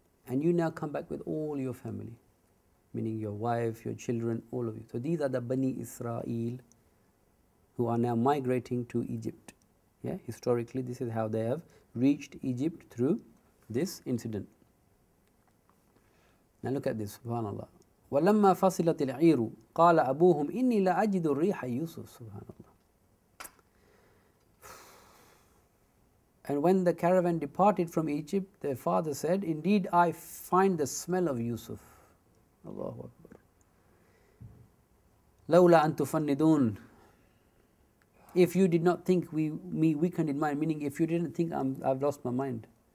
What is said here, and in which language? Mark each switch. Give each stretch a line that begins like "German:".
English: And you now come back with all your family, meaning your wife, your children, all of you. So these are the Bani Israel who are now migrating to Egypt. Yeah, historically, this is how they have reached Egypt through this incident. Now look at this, subhanAllah.
Arabic: وَلَمَّا فَصِلَتِ الْعِيرُ قَالَ أَبُوهُمْ إِنِّي لَأَجِدُ الرِّيحَ يُوسُفُ subhanAllah.
English: And when the caravan departed from Egypt, their father said, "Indeed, I find the smell of Yusuf." Allahu Akbar.
Arabic: "Lawla an tufannidun."
English: If you did not think me weakened in mind, meaning if you didn't think I've lost my mind.